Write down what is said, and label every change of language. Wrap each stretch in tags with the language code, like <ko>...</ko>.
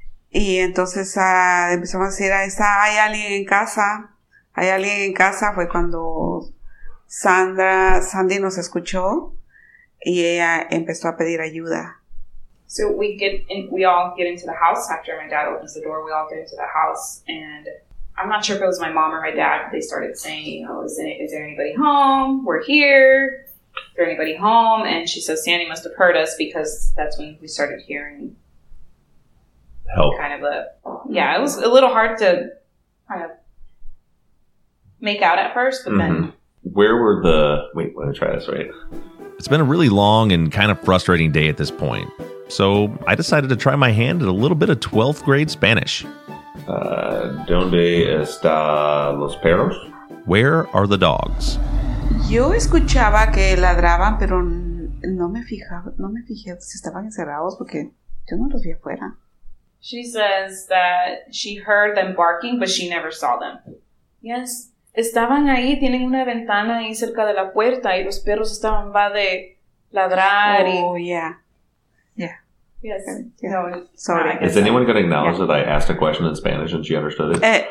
<es>Y entonces empezamos a decir, hay alguien en casa, hay alguien en casa. Fue cuando Sandy nos escuchó y ella empezó a pedir ayuda.</es> <en>So we all get into the house after my dad opens the door. We all get into the house, and I'm not sure if it was my mom or my dad. They started saying, oh, is there anybody home? We're here. Is there anybody home? And she says, Sandy must have heard us, because that's when we started hearing help. Kind of a, yeah, it was a little hard to kind of make out at first, but mm-hmm. then. Wait, let me try this right. It's been a really long and kind of frustrating day at this point. So I decided to try my hand at a little bit of 12th grade Spanish.</en> <es>¿Dónde están los perros?</es> <en>Where are the dogs?</en> <es>Yo escuchaba que ladraban, pero no me fijé si estaban encerrados, porque yo no los vi afuera.</es> <en>She says that she heard them barking, but she never saw them.</en> <es>Yes, estaban ahí, tienen una ventana ahí cerca de la puerta, y los perros estaban va de ladrar.</es> <en>Yes. Okay. Yeah. No, sorry. Is anyone going to acknowledge that I asked a question in Spanish and she understood it?</en>